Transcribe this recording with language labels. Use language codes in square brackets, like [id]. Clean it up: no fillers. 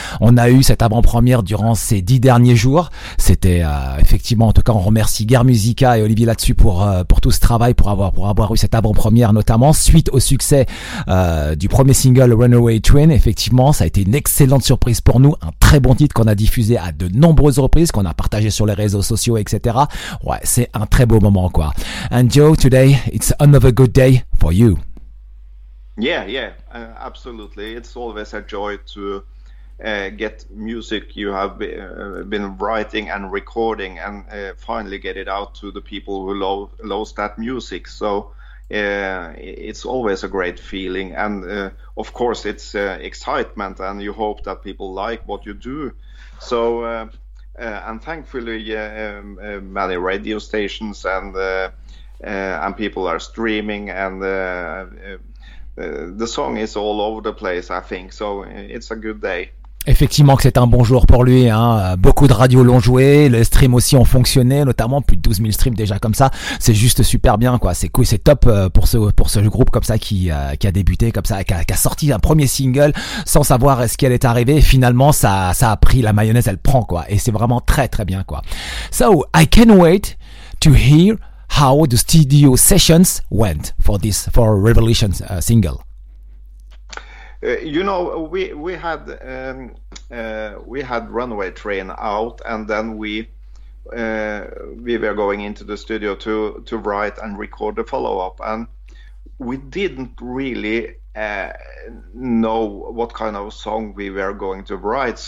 [fr] On a eu cette avant-première durant ces 10 derniers jours. C'était effectivement, en tout cas, on remercie Guerre Musica et Olivier là-dessus pour tout ce travail, pour avoir eu cette avant-première notamment. Suite au succès du premier single, Runaway Train, effectivement, ça a été une excellente surprise pour nous. Un très bon titre qu'on a diffusé à de nombreuses reprises, qu'on a partagé sur les réseaux sociaux, etc. Ouais, c'est un très beau moment, quoi. [en] And Joe, today, it's another good day for you. Yeah, absolutely. It's always a joy to get music you have been writing and recording and finally get it out to the people who loves that music. So it's always a great feeling, and of course it's excitement, and you hope that people like what you do. So and thankfully many radio stations and people are streaming, and the song is all over the place, I think. So it's a good day. [fr] Effectivement que c'est un bon jour pour lui, hein. Beaucoup de radios l'ont joué, les streams aussi ont fonctionné, notamment plus de 12 000 streams déjà comme ça. C'est juste super bien, quoi. C'est cool, c'est top pour ce groupe comme ça qui a débuté comme ça, qui a sorti un premier single sans savoir ce qui allait arriver. Finalement, ça a pris la mayonnaise, elle prend, quoi. Et c'est vraiment très très bien, quoi. [en] So I can't wait to hear how the studio sessions went for Revolution single. You know, we had Runaway Train out, and then we were going into the studio to write and record the follow up, and we didn't really know what kind of song we were going to write.